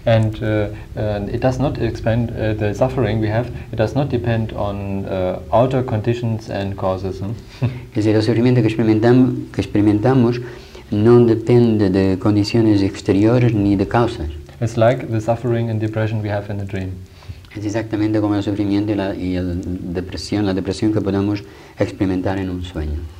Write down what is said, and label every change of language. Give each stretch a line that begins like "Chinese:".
English: And it does not expand the suffering we have, it does not depend on outer conditions and causes.
Spanish: Es decir, el sufrimiento que experimentamos no depende de condiciones exteriores ni de causas.
English: It's like the suffering and depression we have in the dream.
Spanish: Es exactamente como el sufrimiento y la depresión, la depresión que podemos experimentar en un sueño.